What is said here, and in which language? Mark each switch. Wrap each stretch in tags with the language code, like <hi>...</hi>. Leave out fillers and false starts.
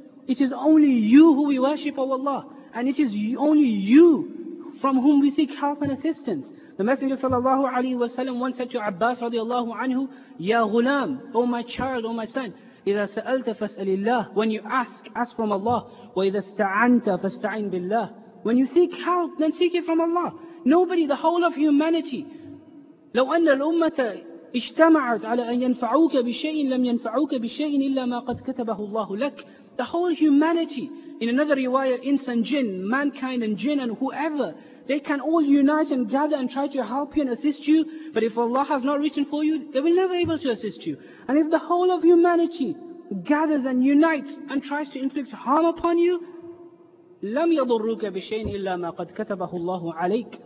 <en>It is only you who we worship, O Allah. And it is only you from whom we seek help and assistance. The Messenger sallallahu alayhi wa sallam once said to Abbas radiallahu anhu, Ya ghulam, O my child, O my son,</en> <ar>إِذَا سَأَلْتَ فَاسْأَلِ اللَّهِ.</ar> <en>When you ask, ask from Allah.</en> <ar>وَإِذَا اسْتَعَنْتَ فَاسْتَعِنْ بِاللَّهِ.</ar> <en>When you seek help, then seek it from Allah. Nobody, the whole of humanity,</en> <ar>لَوْ أَنَّ الْأُمَّةَ اِجْتَمَعَتْ عَلَىٰ أَنْ يَنْفَعُوكَ بِشَيْءٍ لَمْ يَنْفَعُوكَ بِشَيْءٍ إِلَّا مَا قَدْ كَتَبَهُ اللَّهُ لَكَ.</ar> <en>The whole humanity, in another riwayat, ins and jinn, mankind and jinn and whoever, they can all unite and gather and try to help you and assist you. But if Allah has not written for you, they will never be able to assist you. And if the whole of humanity gathers and unites and tries to inflict harm upon you,</en> <ar>لَمْ يَضُرُّكَ بِشَيْءٍ إِلَّا مَا قَدْ كَتَبَهُ اللَّهُ عَلَيْكَ.</ar>